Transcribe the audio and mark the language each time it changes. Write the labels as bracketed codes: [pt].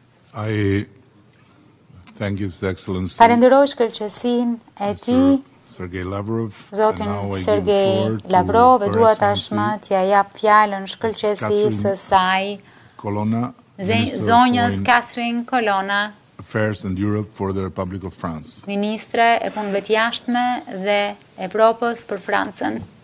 [en] I thank you, Excellency. [sq] Falenderoj shkëlqësinë e ti, Zotin Sergej Lavrov, e dua tashmë t'ia jap fjalën shkëlqësisë së saj, zonjës Catherine Colonna, [en] Affairs and Europe for the Republic of France. [sq] Ministre e punëve të jashtme dhe Evropës për Francën.